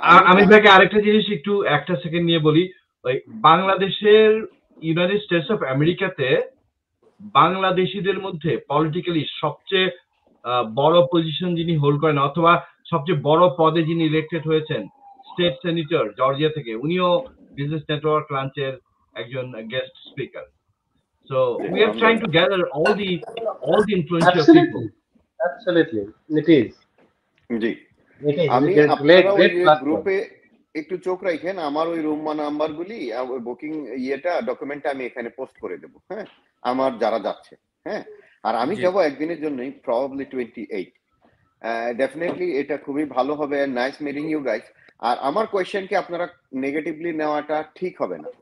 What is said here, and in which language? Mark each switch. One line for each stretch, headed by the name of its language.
Bangla: আমি ভাইকে আরেকটা জিনিস একটু একটা সেকেন্ড নিয়ে বলি, ওই বাংলাদেশের ইউনাইটেড স্টেটস অফ আমেরিকাতে বাংলাদেশিদের মধ্যে পলিটিক্যালি সবচেয়ে বড় পজিশন যিনি হোল্ড করেন অথবা সবচেয়ে বড় পদে যিনি ইলেক্টেড হয়েছেন, স্টেট সেনেটর জর্জিয়া থেকে, উনিও বিজনেস নেটওয়ার্ক লাঞ্চের একজন guest speaker,
English: So we are trying to gather all the influential Absolutely. People. Absolutely, it is. जी
Bangla: আমি আপনারা ওই গ্রুপে একটু চোখ রাখেন আমার ওই রুম নাম্বার গুলি ওই বুকিং ইয়েটা ডকুমেন্ট আমি এখানে পোস্ট করে দেব হ্যাঁ আমার যারা যাচ্ছে হ্যাঁ আর আমি যাব একদিনের জন্যই প্রবাবলি 28 ডেফিনেটলি এটা খুবই ভালো হবে
English: nice meeting you guys
Bangla: আর আমার কোশ্চেন কি আপনারা নেগেটিভলি নেওয়াটা ঠিক হবে না